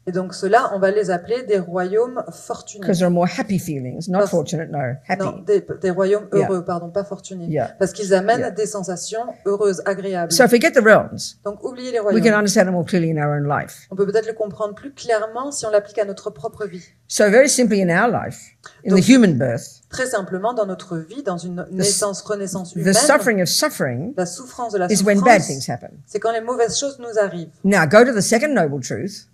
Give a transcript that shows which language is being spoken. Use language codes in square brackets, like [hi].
[fr] Et donc cela, on va les appeler des royaumes fortunés. [en] Because there are more happy feelings, not fortunate, no, happy. [fr] Non, des royaumes heureux, yeah. Pardon, pas fortunés. [en] Yeah. [fr] Parce qu'ils amènent des sensations heureuses, agréables. [en] So forget the realms. [fr] Donc oubliez les royaumes. [en] We can understand them more clearly in our own life. [fr] On peut peut-être le comprendre plus clairement si on l'applique à notre propre vie. [en] So very simply in our life, in [fr] donc, [en] the human birth. [fr] Très simplement dans notre vie, dans une naissance, renaissance humaine. [en] The suffering of suffering. [fr] La souffrance de la souffrance. [en] Is when bad things happen. [fr] C'est quand les mauvaises choses nous arrivent. [en] Now go to the second noble truth.